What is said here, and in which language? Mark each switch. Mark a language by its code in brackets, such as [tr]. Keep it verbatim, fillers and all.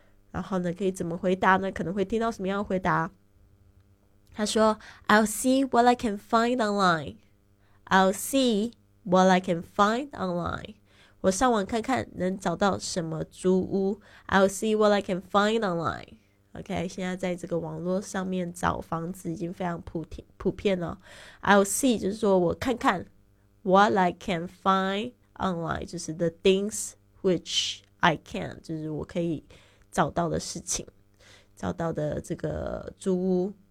[zh] 然后呢可以怎么回答呢？可能会听到什么样的回答？他说 [en] I'll see what I can find online. I'll see what I can find online. [zh] 我上网看看能找到什么租屋。 [en] I'll see what I can find online. [zh] OK, 现在在这个网络上面找房子已经非常 普, 普遍了。 [en] I'll see [zh] 就是说我看看 [en] what I can find online [zh] 就是 [en] the things which I can [zh] 就是我可以找到的事情，找到的这个租屋。